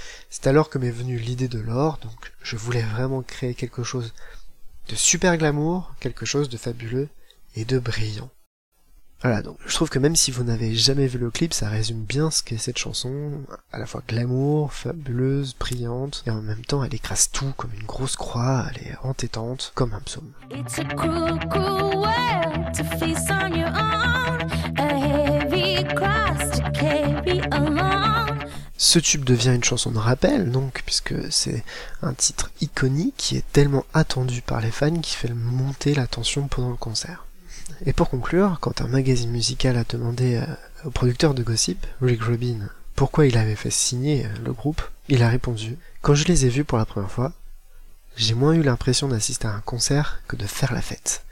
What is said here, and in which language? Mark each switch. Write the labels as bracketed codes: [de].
[fr] C'est alors que m'est venue l'idée de l'or, donc je voulais vraiment créer quelque chose de super glamour, quelque chose de fabuleux et de brillant. » Voilà, donc je trouve que même si vous n'avez jamais vu le clip, ça résume bien ce qu'est cette chanson, à la fois glamour, fabuleuse, brillante, et en même temps elle écrase tout comme une grosse croix, elle est entêtante comme un psaume. [en] It's a cruel, cruel world to face on your own, a heavy cross to carry along. [fr] Ce tube devient une chanson de rappel, donc, puisque c'est un titre iconique qui est tellement attendu par les fans qu'il fait monter la tension pendant le concert. Et pour conclure, quand un magazine musical a demandé au producteur de Gossip, Rick Rubin, pourquoi il avait fait signer le groupe, il a répondu « Quand je les ai vus pour la première fois, j'ai moins eu l'impression d'assister à un concert que de faire la fête.